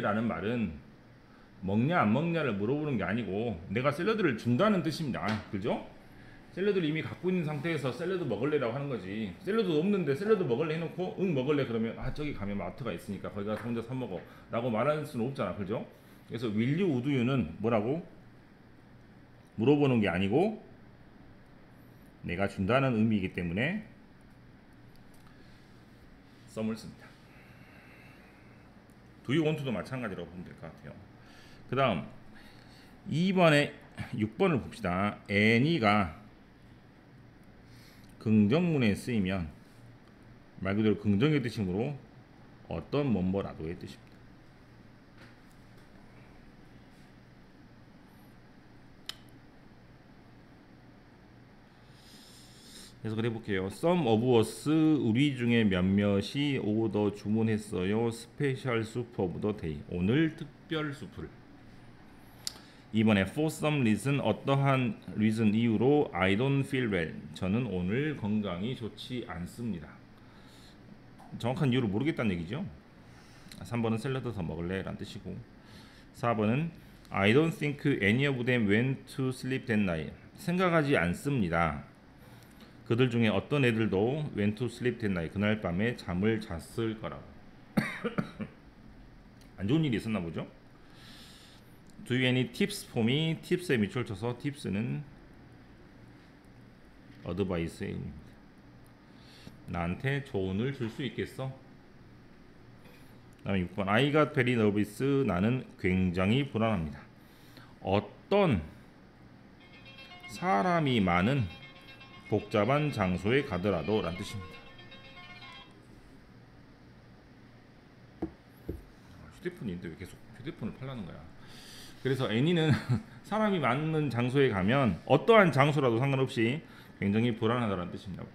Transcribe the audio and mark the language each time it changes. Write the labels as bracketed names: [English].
[Korean] 라는 말은 먹냐 안 먹냐를 물어보는 게 아니고 내가 샐러드를 준다는 뜻입니다. 그죠? 샐러드를 이미 갖고 있는 상태에서 샐러드 먹을래 라고 하는 거지. 샐러드도 없는데 샐러드 먹을래 해놓고 응 먹을래 그러면 아 저기 가면 마트가 있으니까 거기 가서 혼자 사 먹어 라고 말할 수는 없잖아. 그죠? 그래서 will you, would you는 뭐라고? 물어보는 게 아니고 내가 준다는 의미이기 때문에 썸을 씁니다. do you want도 마찬가지라고 보면 될 것 같아요. 그 다음 2번에 6번을 봅시다. 애니가 긍정문에 쓰이면 말 그대로 긍정의 뜻이므로 어떤 뭐뭐라도의 뜻입니다. 해석을 해볼게요. [English] Some of us, [Korean] 우리 중에 몇몇이 오더 주문했어요. [English] 스페셜 soup of the day. [Korean] 오늘 특별 수프를. 이번에 [English] for some reason, [Korean] 어떠한 reason 이유로 [English] I don't feel well. [Korean] 저는 오늘 건강이 좋지 않습니다. 정확한 이유를 모르겠다는 얘기죠. 3번은 샐러드 더 먹을래? 라는 뜻이고, 4번은 [English] I don't think any of them went to sleep that night. [Korean] 생각하지 않습니다. 그들 중에 어떤 애들도 [English] went to sleep that night. [Korean] 그날 밤에 잠을 잤을 거라고. 안 좋은 일이 있었나 보죠. [English] Do you any tips for me? [Korean] Tips에 밑줄 쳐서 tips는 advice의 의미입니다. 나한테 조언을 줄 수 있겠어? 다음에 6번 [English] I got very nervous. [Korean] 나는 굉장히 불안합니다. 어떤 사람이 많은 복잡한 장소에 가더라도 라는 뜻입니다. 휴대폰이 있는데 왜 계속 휴대폰을 팔라는 거야? 그래서 애니는 사람이 많은 장소에 가면 어떠한 장소라도 상관없이 굉장히 불안하다는 뜻입니다.